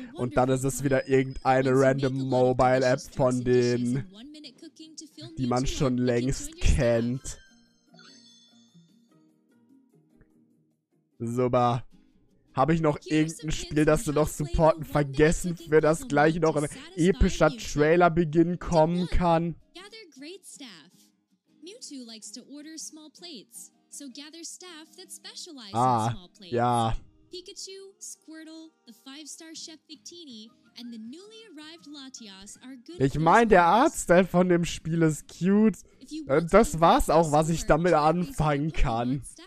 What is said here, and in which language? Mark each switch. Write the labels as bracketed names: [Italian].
[German] Und dann ist es wieder irgendeine random Mobile-App von denen, die man schon längst kennt. Super. Habe ich noch irgendein Spiel, das du noch supporten vergessen, für das gleich noch ein epischer Trailer-Beginn kommen kann? [English] Great staff. Mewtwo likes to order small plates, so gather staff that specialize in small plates. Ja. Pikachu, Squirtle, the five-star chef Victini, and the newly arrived Latias are good. [German] Ich meine, der Artstyle von dem Spiel ist cute. Das war's auch, was ich damit anfangen kann.